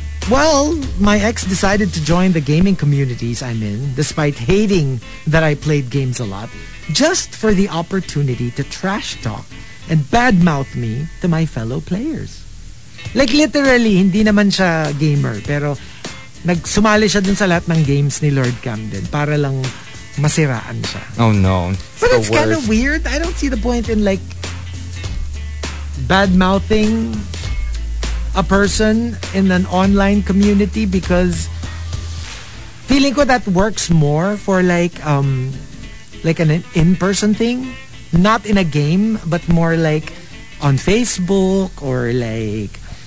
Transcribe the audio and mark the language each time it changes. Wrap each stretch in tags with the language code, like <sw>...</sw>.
<en>Well, my ex decided to join the gaming communities I'm in, despite hating that I played games a lot, just for the opportunity to trash talk and badmouth me to my fellow players. Like literally,</en> <tl>hindi naman siya gamer, pero nagsumali siya dun sa lahat ng games ni Lord Camden para lang masiraan siya.</tl> <en>Oh no. But that's kind of weird. I don't see the point in like badmouthing a person in an online community because</en> <tl>feeling ko</tl> <en>that works more for like an in-person thing, not in a game, but more like on Facebook or like</en>